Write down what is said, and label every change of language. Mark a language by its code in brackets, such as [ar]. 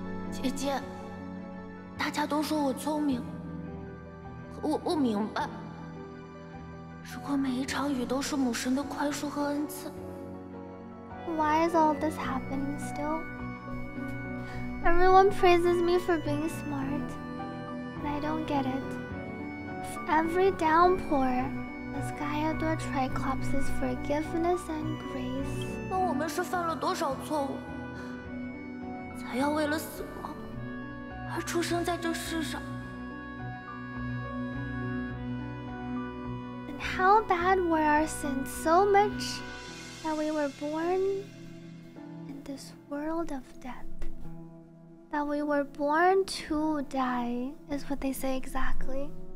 [zh] 姐姐，大家都说我聪明，我不明白。如果每一场雨都是母神的宽恕和恩赐。 [en] Why is all this happening still? Everyone praises me for being smart, but I don't get it. Every downpour is Gaia Dua Triclops' forgiveness and grace. [zh] 那我们是犯了多少错误，才要为了死亡而出生在这世上？ [en] And how bad were our sins so much? That we were born in this world of death. That we were born to die is what they say exactly.